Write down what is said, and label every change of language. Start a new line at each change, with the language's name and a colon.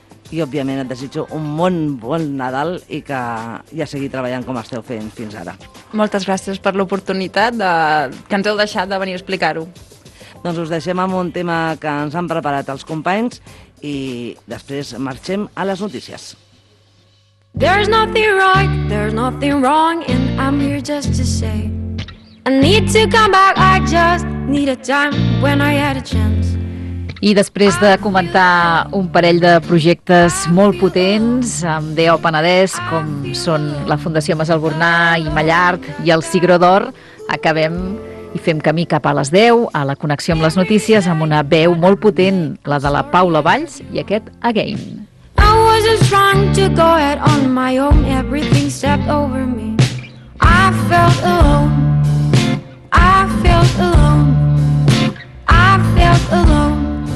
Catalan: I, òbviament, et desitjo un bon Nadal i que ja seguiu treballant com esteu fent fins ara. Moltes gràcies per l'oportunitat que ens heu deixat de venir a explicar-ho. Doncs us deixem amb un tema que ens han preparat els companys i després marxem a les notícies.
English: There's nothing right, there's nothing wrong, and I'm here just to say I need to come back, I just need a time when I had a chance.
Catalan: I després de comentar un parell de projectes molt potents amb DO Penedès, com són la Fundació Masalburnà i Mallart i el Cigró d'Or, acabem i fem camí cap a les 10, a la connexió amb les notícies, amb una veu molt potent, la de la Paula Valls, i aquest Again.
English: I wasn't trying to go out on my own, everything stepped over me. I felt alone, I felt alone, I felt alone.